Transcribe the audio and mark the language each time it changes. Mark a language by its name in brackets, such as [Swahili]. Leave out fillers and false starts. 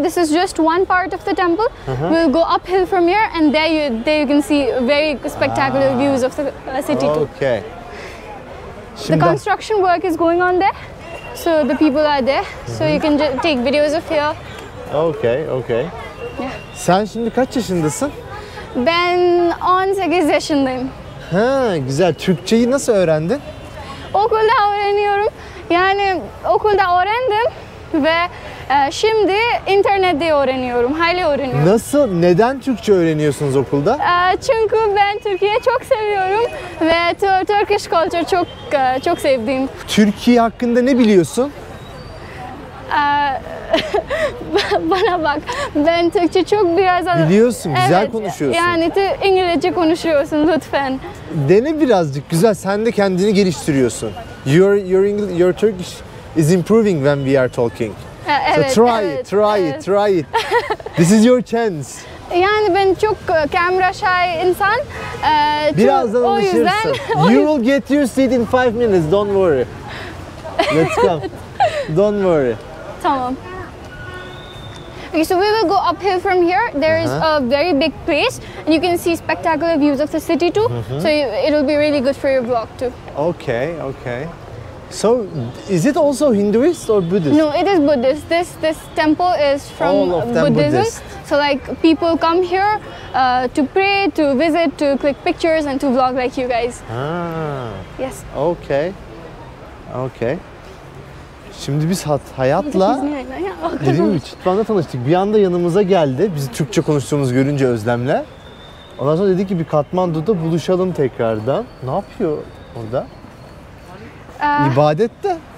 [English] This is just one part of the temple. Uh-huh. We'll go uphill from here, and there you can see very spectacular views of the city okay. too. Okay. The construction work is going on there, so the people are there. Uh-huh. So you can take videos of here. Okay, okay. Yeah. [Turkish] Sen şimdi kaç yaşındasın? Ben 18 yaşındayım. Ha, güzel. Türkçeyi nasıl öğrendin? Okulda öğreniyorum. Yani okulda öğrendim ve şimdi internette öğreniyorum. Hayli öğreniyorum. Nasıl? Neden Türkçe öğreniyorsunuz okulda? Çünkü ben Türkiye'yi çok seviyorum ve [English] Turkish culture [Turkish] çok çok sevdiğim. Türkiye hakkında ne biliyorsun? Bana bak. Ben Türkçe çok biraz... Biliyorsun. Güzel evet, konuşuyorsun. Yani İngilizce konuşuyorsun lütfen. Dene birazcık. Güzel. Sen de kendini geliştiriyorsun. [English] Your Turkish is improving when we are talking. [Turkish] Evet, [English] so try [Turkish] evet, [English] it. Try [Turkish] evet. [English] it. Try it. This is your chance. [Turkish] Yani ben çok kamera shy insan. Birazdan alışırsın. [English] You will get your seat in 5 minutes, don't worry. Let's come. Don't worry. [Turkish] Tamam. [English] Okay, so we will go uphill from here. There is a very big place and you can see spectacular views of the city too. So it will be really good for your vlog too. Okay, okay. So is it also Hinduist or Buddhist? No, it is Buddhist. This temple is from Buddhism. Buddhist. So like people come here to pray, to visit, to click pictures and to vlog like you guys. Ah. Yes. Okay. Okay. [Turkish] Şimdi biz Hayat'la dediğim gibi Çitvan'da tanıştık. Bir anda yanımıza geldi. Bizi Türkçe konuştuğumuz görünce Özlem'le. Ondan sonra dedi ki bir Katmandu'da buluşalım tekrardan. Ne yapıyor orada? İbadette.